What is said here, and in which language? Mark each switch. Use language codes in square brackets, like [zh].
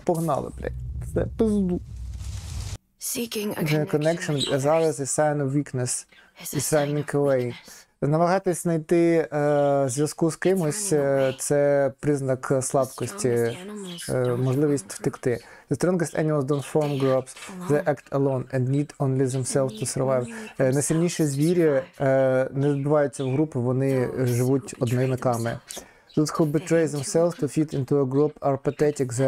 [uk] Погнали, блядь. Це пизду. [en] Seeking a connection is always a sign of weakness. It's a sign of weakness. [uk] Намагатись знайти зв'язку з кимось – це признак слабкості, можливість втекти. [en] The strongest animals don't form groups. They act alone and need only themselves to survive. [uk] Найсильніші звірі не збиваються в групи, вони живуть одиниками. [en] Those who betray themselves to fit into a group are pathetic.